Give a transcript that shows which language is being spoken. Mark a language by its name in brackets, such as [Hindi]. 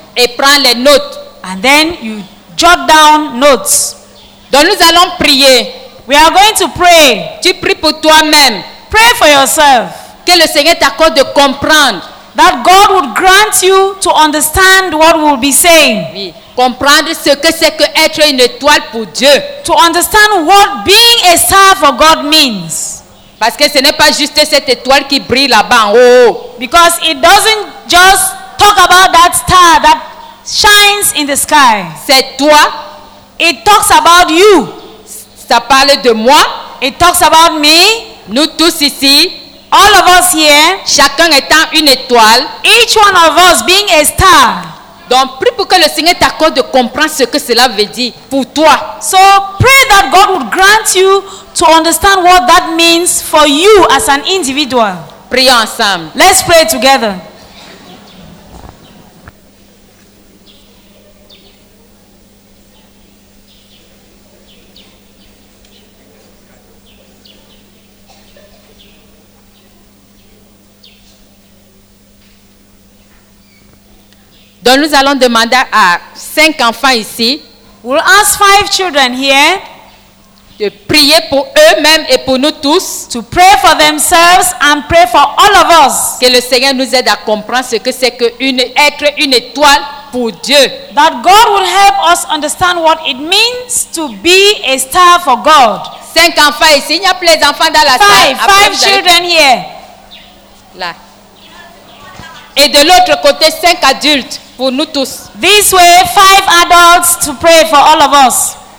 [French] Et prends les notes. [English] And then you jot down notes. [French] Donc nous allons prier. [English] We are going to pray. [French] Tu pries pour toi-même. [English] Pray for yourself. [French] Que le Seigneur t'accorde de comprendre. [English] That God would grant you to understand what we'll be saying. [French] Oui. Comprendre ce que c'est que être une étoile pour Dieu. [English] To understand what being a star for God means. [French] Parce que ce n'est pas juste cette étoile qui brille là-bas en haut. [English] Because it doesn't just talk about that star that shines in the sky. [French] C'est toi. [English] It talks about you. [French] Ça parle de moi. [English] It talks about me. [French] Nous tous ici. [English] All of us here. [French] Chacun étant une étoile. [English] Each one of us being a star. [French] Donc prie pour que le Seigneur t'accorde de comprendre ce que cela veut dire pour toi. [English] So pray that God would grant you to understand what that means for you as an individual. [French] Prions ensemble. [English] Let's pray together. [French] Donc nous allons demander à 5 enfants ici. [English] We'll ask 5 children here. [French] De prier pour eux-mêmes et pour nous tous. [English] To pray for themselves and pray for all of us. [French] Que le Seigneur nous aide à comprendre ce que c'est que être une étoile pour Dieu. [English] That God will help us understand what it means to be a star for God. [French] 5 enfants ici. Il y a plus d'enfants dans la [English] five, [French] salle. Après, [English] 5 children [French] allez... [English] here. [French] Là. Et de l'autre côté, 5 adultes pour nous tous. [English] This way, 5 adults to pray for all of us.